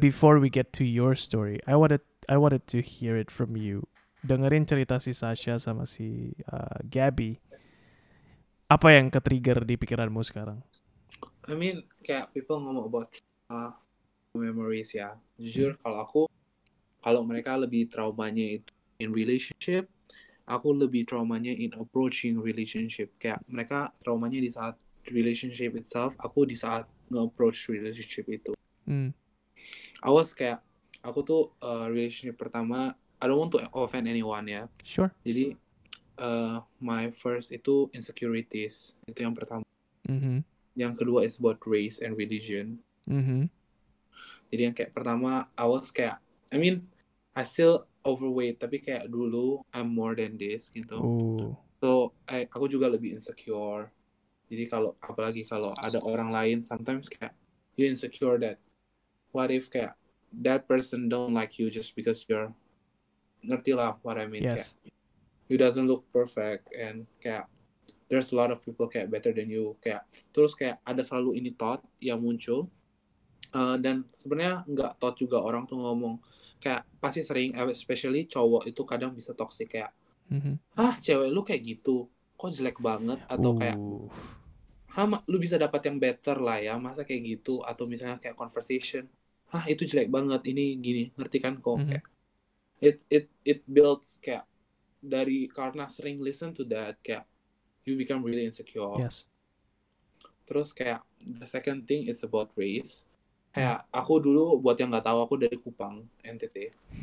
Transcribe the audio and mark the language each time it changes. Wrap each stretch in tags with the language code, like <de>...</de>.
<en>Before we get to your story, I wanted to hear it from you.</en> <id>Dengerin cerita si Sasha sama si Gabby. Apa yang ke-trigger di pikiranmu sekarang?</id> <en>I mean, kayak people ngomong about memories ya.</en> <id>Jujur, kalau mereka lebih traumanya itu in relationship, aku lebih traumanya</id> <en>in approaching relationship.</en> <id>Kayak mereka traumanya di saat relationship itself, aku di saat nge-approach relationship itu.</id> <en>I was kayak,</en> <id>aku tuh relationship pertama,</id> <en>I don't want to offend anyone ya. Sure.</en> <id>Jadi,</id> <en>my first</en> <id>itu insecurities. Itu yang pertama. Mm-hmm. Yang kedua</id> <en>is about race and religion. Mm-hmm. Jadi yang kayak pertama, I was kayak, I mean, I still overweight,</en> <id>tapi kayak dulu</id> <en>I'm more than this gitu. Ooh.</en> <id>So aku juga lebih insecure. Jadi kalau apalagi kalau ada orang lain,</id> <en>sometimes kayak you insecure that what if kayak that person don't like you just because you're ngerti lah what I mean. Yes. Kayak, you doesn't look perfect and kayak there's a lot of people kayak better than you kayak</en> <id>terus kayak ada selalu ini thought yang muncul dan sebenarnya nggak thought juga orang tuh ngomong. Kayak pasti sering, especially cowok itu kadang bisa toxic kayak, ah cewek lu kayak gitu, kok jelek banget, atau kayak, lu bisa dapat yang better lah ya, masa kayak gitu, atau misalnya kayak conversation, ah itu jelek banget, ini gini, ngerti kan kok, kayak, it builds kayak, dari karena sering listen to that, kayak,</id> <en>you become really insecure. Yes.</en> <id>Terus kayak</id> <en>the second thing is about race.</en> <id>Kayak aku dulu buat yang nggak tahu, aku dari Kupang, NTT.</id>